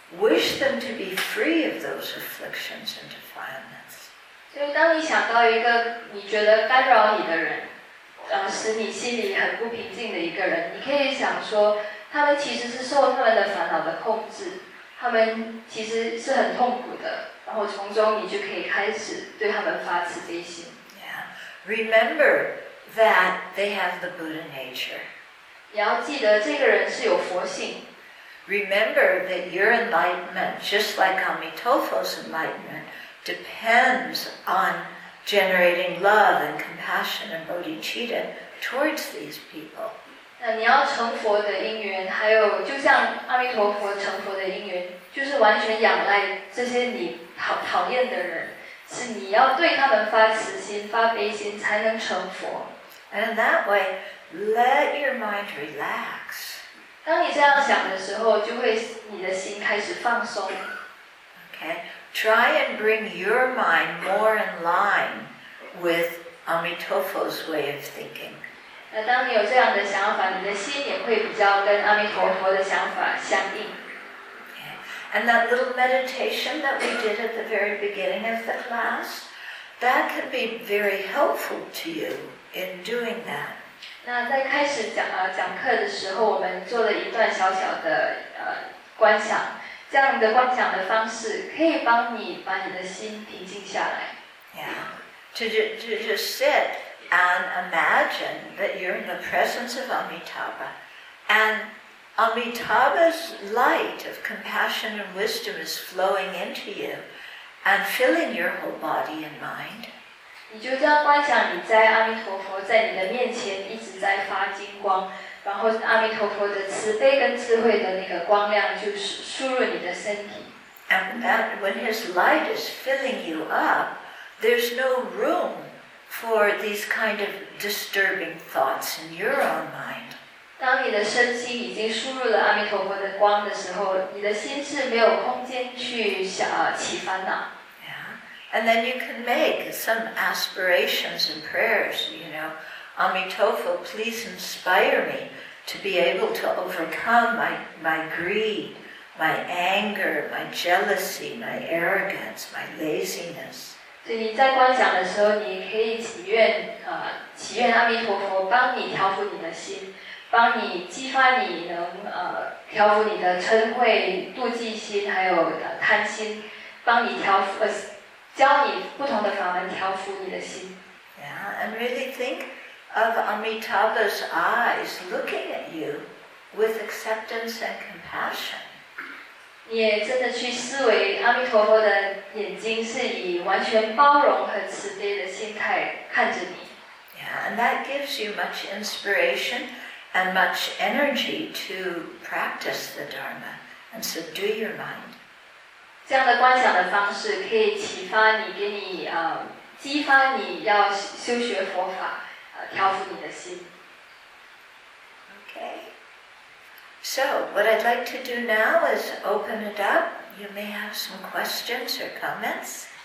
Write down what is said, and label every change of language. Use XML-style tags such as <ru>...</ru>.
<en>Wish them to be free of those afflictions and defilements.</en> <zh>就当你想到一个你觉得干扰你的人，使你心里很不平静的一个人，你可以想说他们其实是受他们的烦恼的控制，他们其实是很痛苦的，然后从中你就可以开始对他们发慈悲心。</zh> <en>Yeah. Remember that they have the Buddha nature.</en> <zh>你要记得这个人是有佛性。</zh> <en>Remember that your enlightenment, just like Amitofo's enlightenment, depends on generating love and compassion and bodhicitta towards these people.</en> <zh>那你要成佛的因缘，还有就像阿弥陀佛成佛的因缘，就是完全仰赖这些你讨厌的人，是你要对他们发慈心、发悲心，才能成佛。</zh> <en>And in that way, let your mind relax.</en> <zh>当你这样想的时候，就会你的心开始放松。</zh> <en>Okay, try and bring your mind more in line with Amitofo's way of thinking.</en> <zh>那当你有这样的想法，你的心也会比较跟阿弥陀佛的想法相应。</zh> <en>And that little meditation that we did at the very beginning of the class, that can be very helpful to you in doing that.</en> <zh>那在开始讲课的时候，我们做了一段小小的观想，这样的观想的方式可以帮你把你的心平静下来。</zh> <en>Yeah, to just sit. And imagine that you're in the presence of Amitabha. And Amitabha's light of compassion and wisdom is flowing into you and filling your whole body and mind.</en> <zh>你就这样观想你在阿弥陀佛在你的面前一直在发金光，然后阿弥陀佛的慈悲跟智慧的那个光亮就输入你的身体。</zh> <en>And that when his light is filling you up, there's no room. For these kind of disturbing thoughts in your own mind.</en> <zh>当你的身心已经输入了阿弥陀佛的光的时候，你的心是没有空间去起烦恼。</zh> <en>Yeah, and then you can make some aspirations and prayers. You know, Amitofo, please inspire me to be able to overcome my greed, my anger, my jealousy, my arrogance, my laziness.</en> <zh>所以你在观想的时候，你可以祈愿阿弥陀佛帮你调伏你的心，帮你激发你能调伏你的嗔恚、妒忌心，还有贪心，帮你调伏教你不同的法门调伏你的心。</zh> <en>Yeah, and really think of Amitabha's eyes looking at you with acceptance and compassion.</en> <zh>你也真的去思维阿弥陀佛的眼睛是以完全包容和慈悲的心态看着你。</zh> <en>Yeah, and that gives you much inspiration and much energy to practice the Dharma and subdue your mind.</en> <zh>这样的观想的方式可以启发你，给你激发你要修学佛法，调伏你的心。</zh> <en>Okay. So, what I'd like to do now is open it up. You may have some questions or comments.</en>